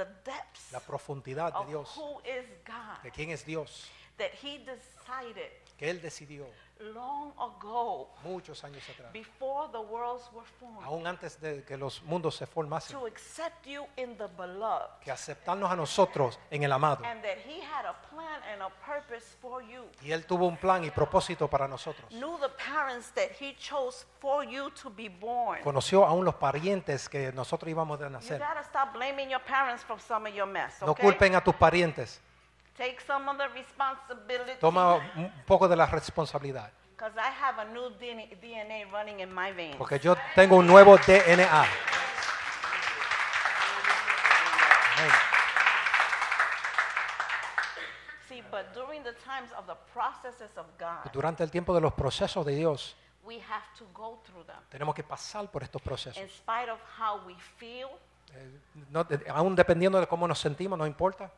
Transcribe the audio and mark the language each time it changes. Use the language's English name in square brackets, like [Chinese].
[English] the depths, [Spanish] la profundidad de Dios, [English] of who is God, [Spanish] de quién es Dios, [English] that he decided, [Spanish] que él decidió, [English] long ago, [Spanish] muchos años atrás, [English] before the worlds were formed, [Spanish] aún antes de que los mundos se formasen, [English] to accept you in the beloved, [Spanish] que aceptarnos a nosotros en el amado, [English] and that he had a plan and a purpose for you, [Spanish] y él tuvo un plan y propósito para nosotros, [English] knew the parents that he chose for you to be born, [Spanish] conoció aún los parientes que nosotros íbamos a nacer. [English] You gotta stop blaming your parents for some of your mess, okay? [Spanish] No culpen a tus parientes. [English] Take some of the responsibility. [Spanish] Toma un poco de la responsabilidad. [English] Because I have a new DNA running in my veins. [Spanish] Porque yo tengo un nuevo DNA. [English] Amen. See, but during the times of the processes of God, [Spanish] durante el tiempo de los procesos de Dios, [English] we have to go through them. [Spanish] Tenemos que pasar por estos procesos. [English] In spite of how we feel, [Spanish] aún dependiendo de cómo nos sentimos, no importa,